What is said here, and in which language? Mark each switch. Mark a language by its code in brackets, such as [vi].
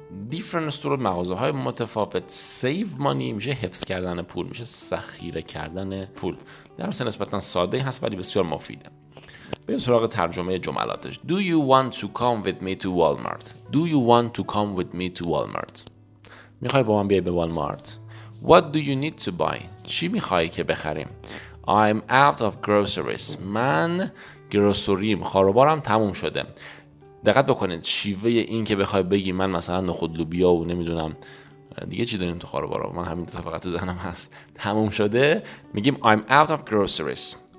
[en] different store [fa] مغازه های متفاوت. [en] save money [fa] میشه حفظ کردن پول، میشه ذخیره کردن پول. درس نسبتا ساده هست ولی بسیار مفیده. بریم سراغ ترجمه جملاتش. [en] Do you want to come with me to Walmart? Do you want to come with me to Walmart? [fa] میخوای با من بیای به والمارت. [en] What do you need to buy? [fa] چی میخوای که بخریم؟ [en] I'm out of groceries. [fa] من گروسریم، خاروبارم تموم شده. دقت بکنید شیوه این که بخوای بگی من مثلا نخود لوبیا و نمیدونم دیگه چی داریم تو خاروبارا، من همین دو تا فقط تو ذهنم هست، تموم شده، میگیم [en] I'm out of groceries.